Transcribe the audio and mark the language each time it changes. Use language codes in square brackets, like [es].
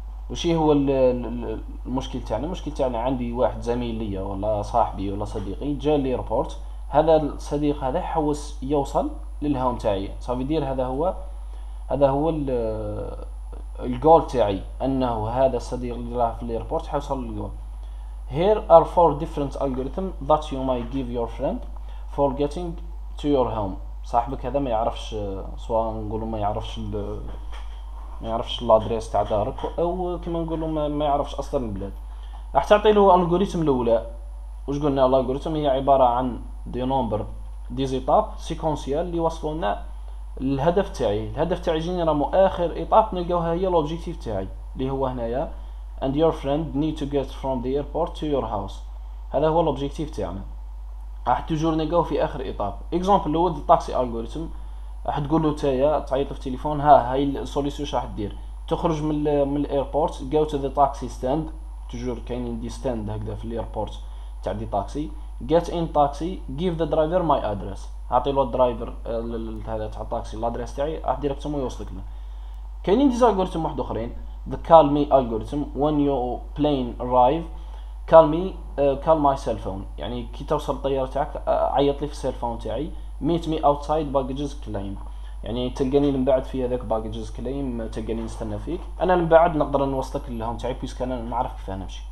[ar] وشي هو المشكل تاعنا؟ المشكل تاعنا عندي واحد زميل ليا ولا صاحبي ولا صديقي جا لي ريبورت، هذا الصديق هذا حوس يوصل للهوم تاعي، صافي دير هذا هو الجول تاعي، انه هذا الصديق اللي راه في لي ريبورت حوصل للجول. [en] Here are four different algorithms that you might give your friend for getting to your home. [ar] صاحبك هذا ما يعرفش سواء نقولوا ما يعرفش الادريس تاع دارك او كما نقولوا ما يعرفش اصلا البلاد. راح تعطي له الالغوريثم الاولى. واش قلنا الالغوريثم هي عباره عن دي نومبر دي زيتاب سيكونسيال اللي وصلوا لنا الهدف تاعي. الهدف تاعي جيني راه اخر ايطاب نلقاوها هي لوبجيكتيف تاعي اللي هو هنايا [en] and your friend need to get from the airport to your house. [ar] هذا هو الاوبجيكتيف تاعنا. راح تجور نلقاو في اخر ايطاب. اكزامبل لو الطاكسي الجوريثم راح تقول له تايا تعيط في التليفون ها هاي السوليسيون شراح دير. تخرج من الايربورت [en] go to the taxi stand. [ar] تجور كاينين دي ستاند هكذا في الايربورت تاع دي تاكسي. [en] get in taxi give the driver my address. [ar] اعطي له الدرايفر هذا تاع الطاكسي الادريس تاعي راح ديريكت تما يوصلك له. كاينين دي الجوريثم واحد اخرين [en] the call me algorithm when your plane arrive call me call my cell phone [ar] يعني كي توصل الطياره تاعك عيط لي في السيل فون تاعي [en] meet me outside baggages claim [ar] يعني تلقاني من بعد في هذاك baggages claim تلقاني نستنى فيك انا من بعد نقدر نوصلك لهم تاعي بيسك انا نعرف كيف انا نمشي.